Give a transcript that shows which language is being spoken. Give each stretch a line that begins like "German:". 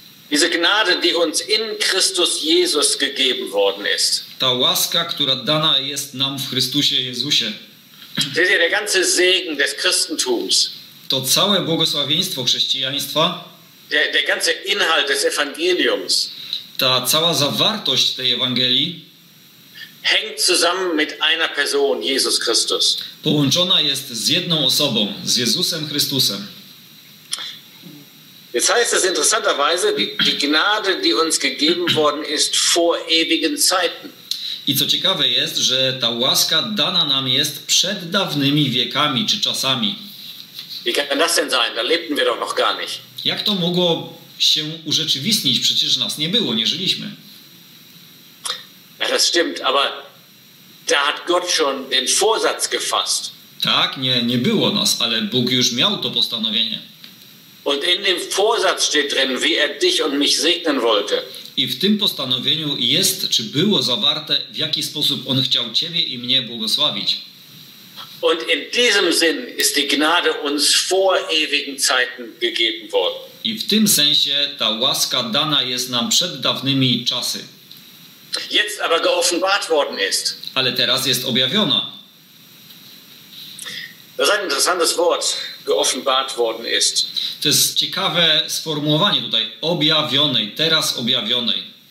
German: Diese Gnade, die uns in Christus Jesus gegeben worden ist.
Polish: Ta łaska, która dana jest nam w Chrystusie Jezusie.
German: Seht ihr, der ganze Segen des Christentums.
Polish: To całe błogosławieństwo chrześcijaństwa.
German: Der ganze Inhalt des Evangeliums.
Polish: Ta cała zawartość tej Ewangelii.
German: Hängt zusammen mit einer Person, Jesus Christus.
Polish: Połączona jest z jedną osobą, z Jezusem Chrystusem.
German: Jetzt heißt es interessanterweise, die Gnade, die uns gegeben worden ist vor ewigen Zeiten.
Polish: I co ciekawe jest, że ta łaska dana nam jest przed dawnymi wiekami czy czasami.
German: Wie kann das denn sein? Da lebten wir doch noch gar nicht.
Polish: Jak to mogło się urzeczywistnić? Przecież nas nie było, nie żyliśmy.
German: Ja, das stimmt, aber da hat Gott schon den Vorsatz gefasst.
Polish: Tak, nie było nas, ale Bóg już miał to postanowienie.
German: Und in dem Vorsatz steht drin, wie er dich und mich segnen wollte.
Polish: I w tym postanowieniu jest, czy było zawarte, w jaki sposób on chciał ciebie i mnie błogosławić.
German: Und in diesem Sinn ist die Gnade uns vor ewigen Zeiten gegeben worden.
Polish: I w tym sensie ta łaska dana jest nam przed dawnymi czasy.
German: Jetzt aber geoffenbart worden ist.
Polish: Ale teraz jest objawiona.
German: Das ist ein interessantes Wort, geoffenbart worden ist.
Polish: To jest ciekawe sformułowanie tutaj, objawionej, teraz objawionej.